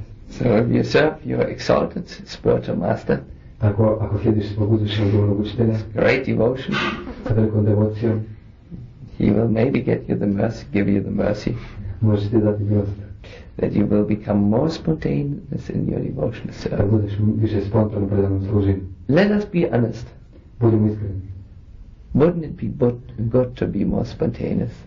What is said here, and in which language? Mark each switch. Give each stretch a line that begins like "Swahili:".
English: So if you serve your exalted spiritual master,
Croatian: tako, ako slijediš svog uzvišenog duhovnog učitelja,
English: great devotion,
Croatian: sa velikom devocijom,
English: he will maybe get you the mercy, give you the mercy.
Croatian: Možeš ti dati milost.
English: That you will become more spontaneous in your devotional service.
Croatian: Da budeš više spontano predanom služenju.
English: Let us be honest.
Croatian: Budem iskreni.
English: Wouldn't it be good to be more spontaneous?